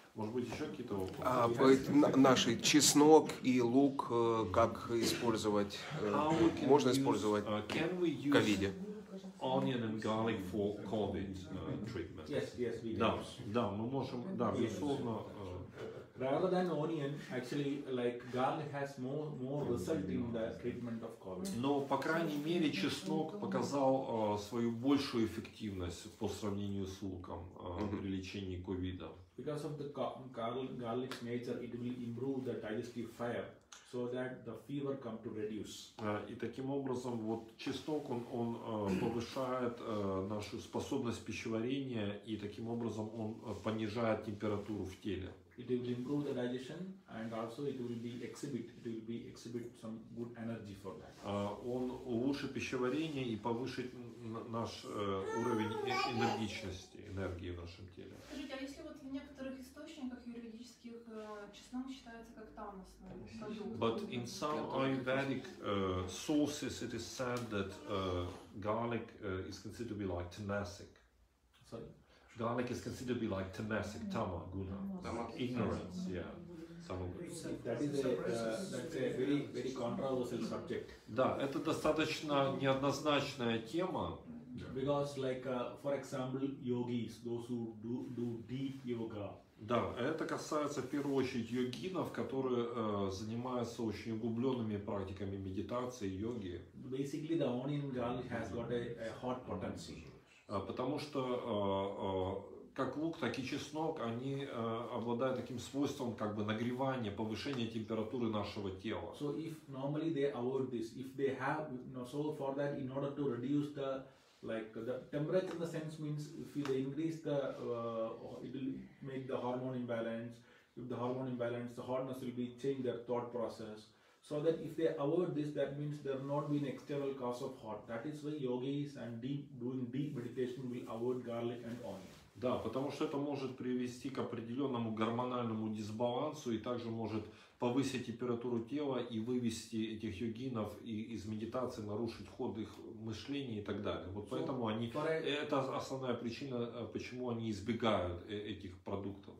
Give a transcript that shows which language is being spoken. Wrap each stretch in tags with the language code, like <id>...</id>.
<ru>Может быть, еще какие-то вопросы? Наши чеснок и лук как использовать? Можно использовать в ковиде?</ru> <en>Onion and garlic for COVID treatment. Yes, we do.</en> <ru>Да, мы можем, да, безусловно.</ru> <en>Rather than onion, actually, like garlic has more result in the treatment of COVID.</en> <ru>Но, по крайней мере, чеснок показал свою большую эффективность по сравнению с луком при лечении COVID.</ru> <en>Because of the garlic's nature, it will improve the digestive fire. so that the fever come to reduce.</en> <ru>И таким образом вот чисток он повышает нашу способность пищеварения и таким образом он понижает температуру в теле.</ru> <en>It will improve the digestion and also it will be exhibit, it will be exhibit some good energy for that.</en> <ru>Он улучшит пищеварение и повышит наш уровень энергичности, энергии в нашем теле. Скажите, а если вот в некоторых источниках юридических чеснок считается как тамос?</ru> <en>But in some Ayurvedic sources it is said that garlic is considered to be like tamasic. Sorry? Garlic is considered to be like tamasic, tama, guna, ignorance, yeah, some of it. That is a very, very controversial subject.</en> <ru>Да, это достаточно неоднозначная тема.</ru> <en>Because like, for example, yogis, those who do deep yoga.</en> <ru>Да, это касается в первую очередь йогинов, которые занимаются очень углубленными практиками медитации, йоги.</ru> <en>Basically, the onion garlic has got a hot potency.</en> <ru>Потому что как лук, так и чеснок, они обладают таким свойством как бы нагревания, повышения температуры нашего тела.</ru> <en>So if normally they avoid this, if they have, you know, so for that, in order to reduce the, like, the temperature in the sense means, if they increase the, it will make the hormone imbalance, if the hormone imbalance, the hotness will be change their thought process. So that if they avoid this, that means there will not be an external cause of hot. That is why yogis and deep doing deep meditation will avoid garlic and onion.</en> <ru>Да, потому что это может привести к определенному гормональному дисбалансу и также может повысить температуру тела и вывести этих йогинов из медитации, нарушить ход их мышления и так далее. Вот поэтому они, это основная причина, почему они избегают этих продуктов.</ru>